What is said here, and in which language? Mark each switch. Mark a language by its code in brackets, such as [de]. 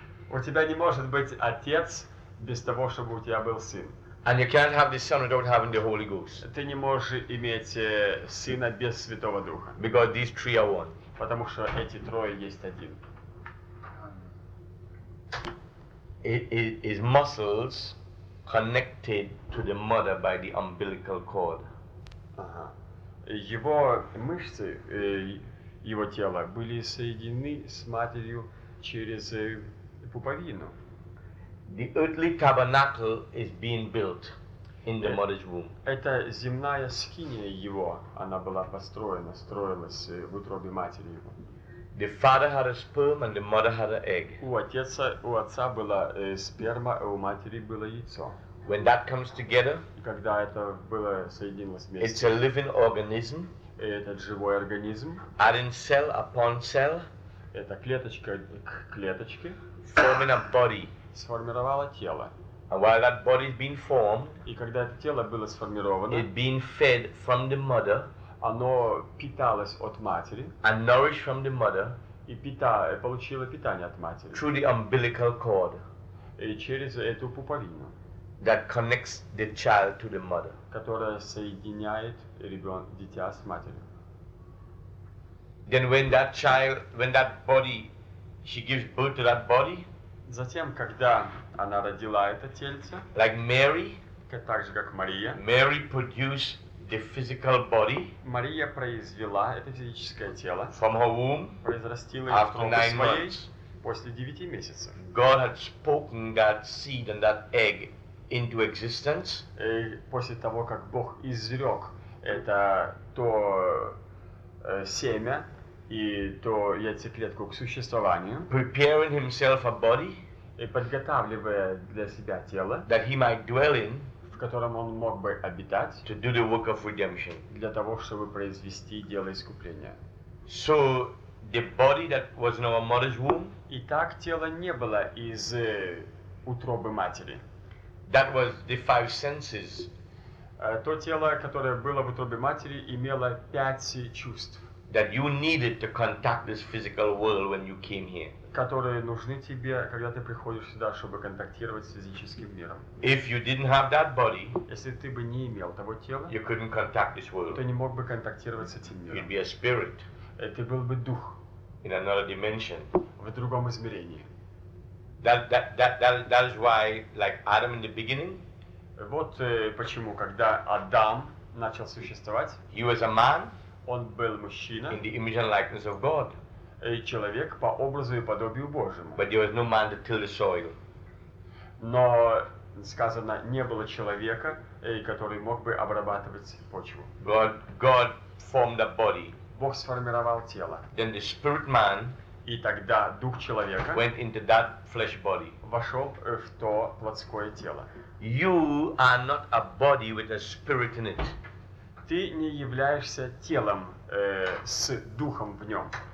[ru] у тебя не может быть Отец без того, чтобы у тебя был сын. [en] And you can't have the Son without having the Holy Ghost. [ru] Ты не можешь иметь сына без Святого Духа. [en] Because these three are one. [ru] Потому что эти трое есть один. [en] His muscles connected to the mother by the umbilical cord. [ru] Его мышцы, его тело были соединены с матерью через пуповину. [en] The earthly tabernacle is being built in the mother's womb. [ru] Это земная скиния его, она была построена, строилась в утробе матери его. [en] The father had a sperm and the mother had an egg. [ru] У отца была сперма, а у матери было яйцо. [en] When that comes together, [ru] когда это было соединилось вместе, [en] it's a living organism. [ru] Этот живой организм. [en] Adding cell upon cell. [ru] Это клеточка к клеточке. [en] Forming a body. [ru] Сформировало тело. [en] And while that body is being formed, [ru] и когда это тело было сформировано, [en] it being fed from the mother. [ru] Оно питалось от матери. [en] And nourished from the mother. [ru] И получило питание от матери. [en] Through the umbilical cord. [ru] И через эту пуповину. [en] That connects the child to the mother. [ru] Которая соединяет дитя с матерью. [en] Then when that body, she gives birth to that body. [ru] Затем, когда она родила это тельце. [en] Like Mary. [ru] Так же как Мария. [en] Mary produced the physical body. [ru] Мария произвела это физическое тело. [en] From her womb. [ru] Произрастила его в утробе своей. После 9 месяцев. [en] God had spoken that seed and that egg. Into existence. [ru] После того, как Бог изрек это то семя и то яйцеклетку к существованию, [en] preparing himself a body, [ru] и подготавливая для себя тело, [en] that he might dwell in, [ru] в котором он мог бы обитать, [en] to do the work of redemption, [ru] для того, чтобы произвести дело искупления. [en] So the body that was in our mother's womb, [ru] и так тело не было из утробы матери. [en] That was the five senses. [ru] То тело, которое было в утробе матери, имело 5 чувств. [en] That you needed to contact this physical world when you came here. [ru] Которые нужны тебе, когда ты приходишь сюда, чтобы контактировать с физическим миром. [en] If you didn't have that body, [ru] если ты бы не имел того тела, [en] you couldn't contact this world. [ru] Ты не мог бы контактировать с этим миром. [en] You'd be a spirit. [ru] Ты был бы дух. [en] In another dimension. [ru] В другом измерении. [en] That is why, like Adam in the beginning. [ru] Вот почему, когда Адам начал существовать. [en] He was a man. [ru] Он был мужчина. [en] In the image and likeness of God. [ru] Человек по образу и подобию Божьему. [en] But there was no man to till the soil. [ru] Но сказано, не было человека, который мог бы обрабатывать почву. [en] God formed a body. [ru] Бог сформировал тело. [en] Then the spirit man. [ru] И тогда дух человека [en] went into that flesh body. [ru] Вошел в то плотское тело. [en] You are not a body with a spirit in it. [ru] Ты не являешься телом с духом в нем.